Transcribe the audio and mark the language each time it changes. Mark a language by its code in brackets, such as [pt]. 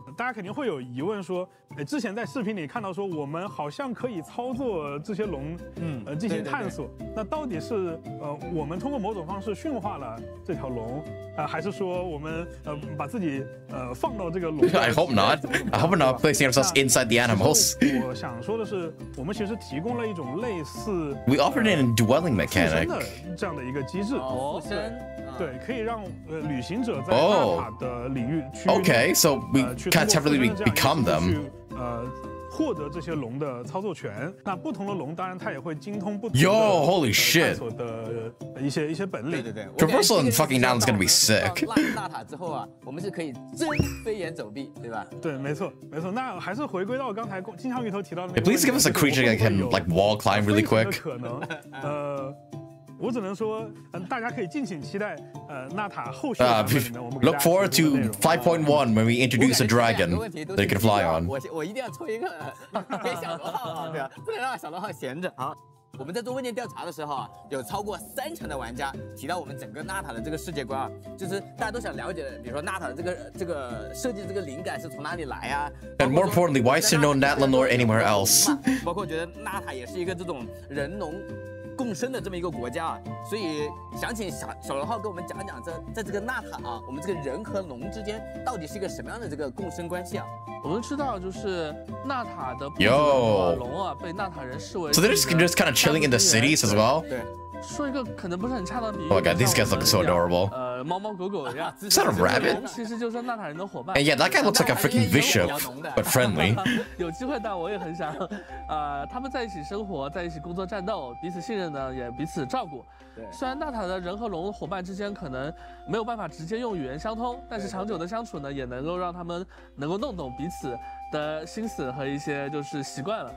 [zh] 大家肯定会有疑问说，之前在视频里看到说我们好像可以操作这些龙，进行探索，那到底是我们通过某种方式驯化了这条龙，还是说我们把自己放到这个龙 [en] ？I hope not. I hope not placing ourselves inside the animals. [zh] 我想说的是，我们其实提供了一种类似 [en] we offered an indwelling mechanic [zh] 这样的一个机制。附身。对，可以让旅行者在纳塔的领域去。 [en] Okay, so we can temporarily become them. [zh] 获得这些龙的操作权。那不同的龙，当然它也会精通不同的。 [en] Yo, holy shit! [zh] 探索的一些本领。对对对。 [en] Traversal in fucking Natlan is gonna be sick. [zh] 纳塔之后啊，我们是可以真飞檐走壁，对吧？对，没错，没错。那还是回归到刚才金枪鱼头提到的那个。 [en] Please give us a creature that can like wall climb really quick. [zh] 可能，我只能说，大家可以敬请期待，纳塔后续版本里面我们。 [en] Look forward to 5.1 when we introduce a dragon that can fly on. [zh] 我一定要抽一个给小罗号啊，对吧？不能让小罗号闲着啊。我们在做问卷调查的时候啊，有超过三成的玩家提到我们整个纳塔的这个世界观啊，就是大家都想了解，比如说纳塔的这个设计这个灵感是从哪里来啊 [en] ？And more importantly, why is there no Natlan or anywhere else? [zh] 包括觉得纳塔也是一个这种人龙共生的这么一个国家，所以想请小龙号跟我们讲讲在这个纳塔啊，我们这个人和龙之间到底是一个什么样的这个共生关系啊？我们知道就是纳塔的龙啊，被纳塔人视为 [en] So they're just kind of chilling in the cities as well. [zh] 对，说一个可能不是很恰当的比喻。 [en] Oh my god, these guys look so adorable. [zh] 猫猫狗狗一样。 [en] Is that a rabbit? [zh] 其实就是纳塔人的伙伴。 [en] And yeah, that guy looks like a freaking bishop, but friendly. [zh] 有机会，但我也很想，他们在一起生活，在一起工作、战斗，彼此信任呢，也彼此照顾。虽然纳塔的人和龙伙伴之间可能没有办法直接用语言相通，但是长久的相处呢，也能够让他们能够弄懂彼此的心思和一些就是习惯了。